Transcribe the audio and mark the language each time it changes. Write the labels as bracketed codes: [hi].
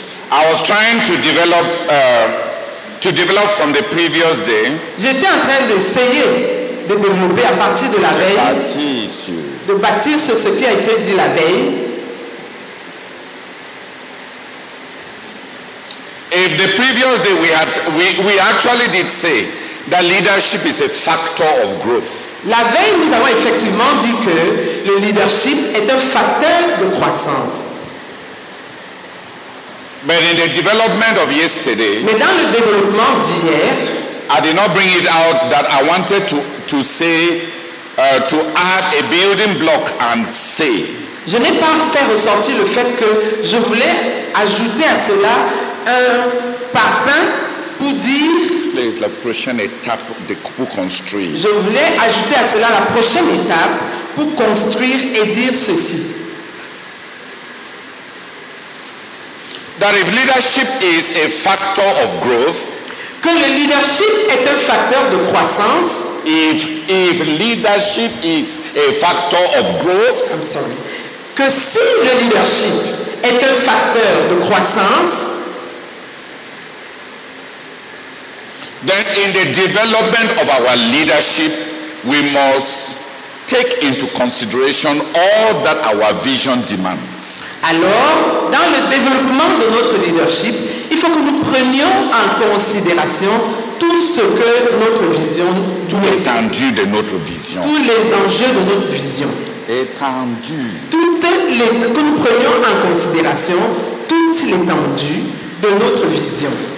[en] I was trying to develop from the previous day. [fr] J'étais en train d'essayer de développer à partir de la veille. De bâtir sur ce qui a été dit la veille. [en] If the previous day we actually did say that leadership is a factor of growth. [fr] La veille, nous avons effectivement dit que le leadership est un facteur de croissance. [en] But in the development of yesterday, [fr] mais dans le développement d'hier, [en] I did not bring it out that I wanted to say to add a building block and say. [fr] Je n'ai pas fait ressortir le fait que je voulais ajouter à cela un parpaing pour dire. [en] Please, [fr] la prochaine étape de pour construire. Je voulais ajouter à cela la prochaine étape pour construire et dire ceci. [en] That if leadership is a factor of growth, [fr] que le leadership est un facteur de croissance. [en] If leadership is a factor of growth, I'm sorry. [fr] Que si le leadership est un facteur de croissance, [en] then in the development of our leadership, we must take into consideration all that our vision demands. [fr] Alors, dans le développement de notre leadership, il faut que nous prenions en considération tout ce que notre vision demande. Tout l'étendue de notre vision. Tous les enjeux de notre vision. Étendue. Que nous prenions en considération toute l'étendue de notre vision.